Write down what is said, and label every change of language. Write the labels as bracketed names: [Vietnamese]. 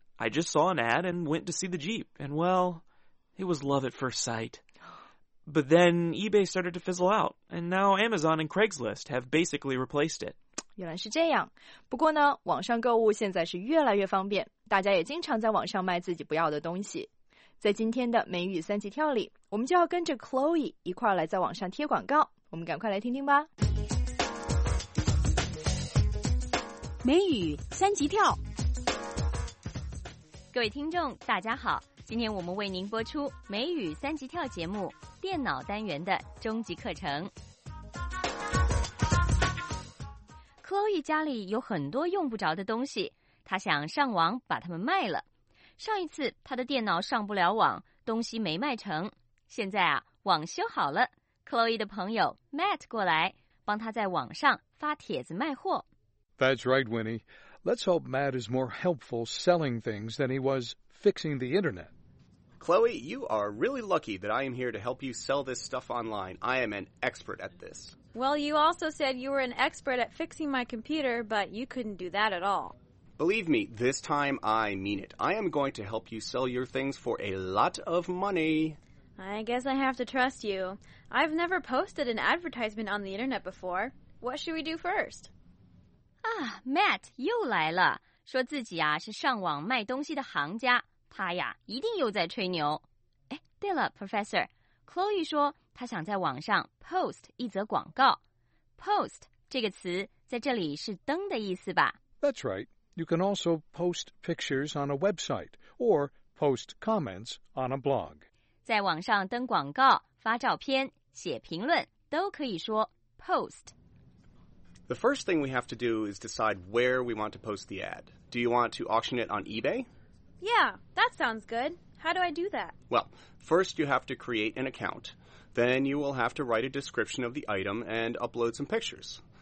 [English] I just saw an ad and went to see the Jeep. And well, it was love at first sight. But then eBay started to fizzle out. And now Amazon and Craigslist have basically replaced it. [Chinese] 原来是这样。不过呢，网上购物现在是越来越方便，大家也经常在网上卖自己不要的东西。在今天的美语三级跳里，我们就要跟着 Chloe 一块儿来在网上贴广告，我们赶快来听听吧。美语三级跳，各位听众大家好，今天我们为您播出美语三级跳节目电脑单元的终极课程。 Chloe 家里有很多用不着的东西，她想上网把它们卖了。上一次他的电脑上不了网，东西没卖成，现在啊网修好了， Chloe 的朋友 Matt 过来帮他在网上发帖子卖货。 [English] That's right, Winnie. Let's hope Matt is more helpful selling things than he was fixing the internet. Chloe, you are really lucky that I am here to help you sell this stuff online. I am an expert at this. Well, you also said you were an expert at fixing my computer, but you couldn't do that at all. Believe me, this time I mean it. I am going to help you sell your things for a lot of money. I guess I have to trust you. I've never posted an advertisement on the internet before. What should we do first? [Chinese] Ah, Matt, 又来了，说自己啊是上网卖东西的行家，他呀一定又在吹牛。哎，对了 ,Professor, Chloe 说他想在网上 post 一则广告。 Post 这个词在这里是登的意思吧？ [English] That's right.You can also post pictures on a website or post comments on a blog. [Chinese] 在网上登广告、发照片、写评论都可以说 post. [English] The first thing we have to do is decide where we want to post the ad. Do you want to auction it on eBay? Yeah, that sounds good. How do I do that? Well, first you have to create an account. Then you will have to write a description of the item and upload some pictures.